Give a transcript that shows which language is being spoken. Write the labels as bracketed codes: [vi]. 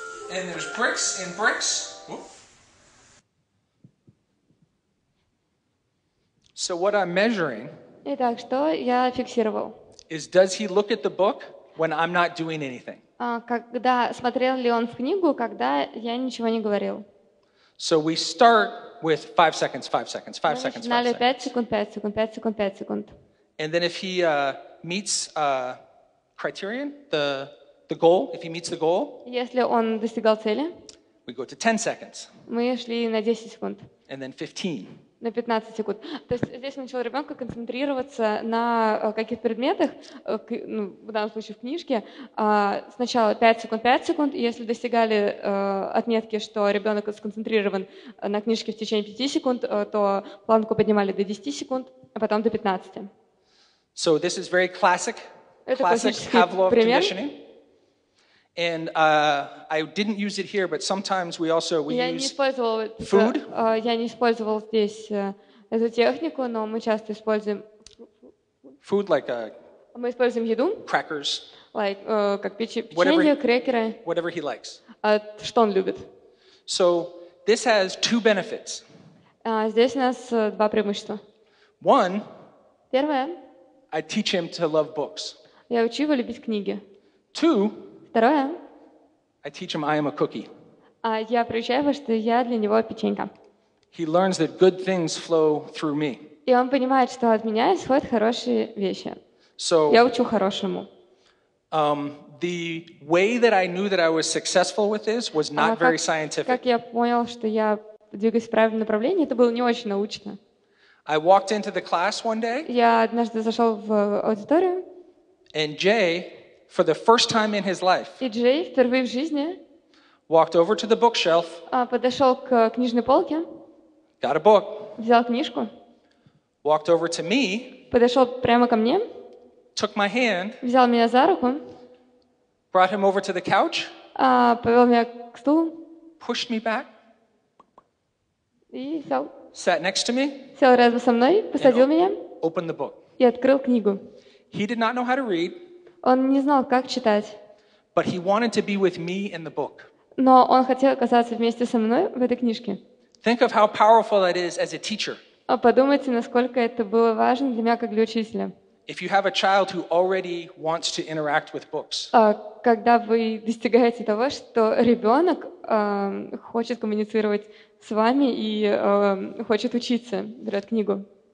[en] And there's bricks and bricks. Whoop. So what I'm measuring... [ru] Итак, что я фиксировал? [en] Is does he look at the book when I'm not doing anything? [ru] Когда смотрел ли он в книгу, когда я ничего не говорил? [en] So we start with 5 seconds, 5 seconds, 5 seconds, 5 seconds. [ru] Начинали 5 секунд, 5 секунд, 5 секунд, 5 секунд. [en] And then if he meets criterion, the goal, if he meets the goal. [ru] Если он достигал цели. [en] We go to 10 seconds. [ru] Мы шли на 10 секунд. [en] And then 15. [ru] На 15 секунд. То есть здесь начал ребенка концентрироваться на каких предметах, в данном случае в книжке. Сначала 5 секунд, 5 секунд. Если достигали отметки, что ребенок сконцентрирован на книжке в течение 5 секунд, то планку поднимали до 10 секунд, а потом до 15. [en] So this is very classic, [ru] это классический [en] Pavlov [ru] пример. [en] And I didn't use it here, but sometimes we [ru] я [en] use [ru] не использовал [en] food. [ru] Я не использовал здесь эту технику, но мы часто используем [en] food like [ru] мы используем еду. [en] Crackers. [ru] Like как печенье, крекеры. [en] Whatever he likes. [ru] Что он любит. [en] So this has 2 benefits. [ru] Здесь у нас 2 преимущества. [en] One. [ru] Первое. [en] I teach him to love books. [ru] Я учу его любить книги. [en] Two. [ru] Второе. [en] I teach him I am a cookie. [ru] Я приучаю его, что я для него печенька. [en] He learns that good things flow through me. [ru] И он понимает, что от меня исходят хорошие вещи. [en] So, [ru] я учу хорошему. [en] the way that I knew that I was successful with this was not very scientific. [ru] Как я понял, что я двигаюсь в правильном направлении, это было не очень научно. [en] I walked into the class one day. [ru] Я однажды зашел в аудиторию. [en] And Jay, for the first time in his life, [ru] и Джей впервые в жизни, [en] walked over to the bookshelf. [ru] Подошел к книжной полке. [en] Got a book. [ru] Взял книжку. [en] Walked over to me. [ru] Подошел прямо ко мне. [en] Took my hand. [ru] Взял меня за руку. [en] Brought him over to the couch. [ru] Повел меня к стулу. [en] Pushed me back. [ru] И сел. [en] Sat next to me. [ru] Сел рядом со мной, посадил меня. [en] Opened the book. [ru] И открыл книгу. [en] He did not know how to read. [ru] Он не знал, как читать. [en] But he wanted to be with me in the book. [ru] Но он хотел оказаться вместе со мной в этой книжке. [en] Think of how powerful that is as a teacher. [ru] Подумайте, насколько это было важно для меня как для учителя. [en] If you have a child who already wants to interact with books. [ru] Когда вы достигаете того, что ребенок хочет коммуницировать с вами и хочет учиться, берет книгу.